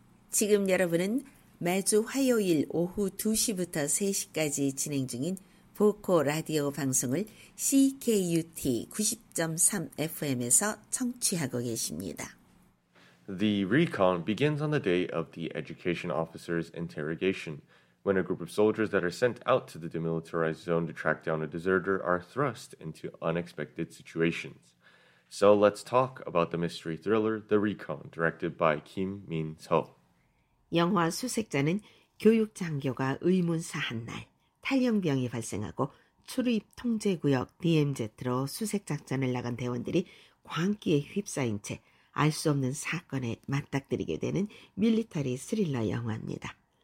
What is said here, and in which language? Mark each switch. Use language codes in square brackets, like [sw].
[ko] 지금 여러분은 매주 화요일 오후 2시부터 3시까지 진행 중인 보코 라디오 방송을 CKUT 90.3 FM에서 청취하고 계십니다. [en] The recon begins on the day of the education officer's interrogation. When a group of soldiers that are sent out to the demilitarized zone to track down a deserter are thrust into unexpected situations. So let's talk about the mystery thriller The Recon, directed by Kim Min-seo. [ko] 영화 수색자는 교육 장교가 의문 사한 날 탈영병이 발생하고 출입 통제 구역 DMZ로 수색 작전을 나간 대원들이 광기에 휩싸인 채 알 수 없는 사건에 맞닥뜨리게 되는 밀리터리 스릴러 영화입니다.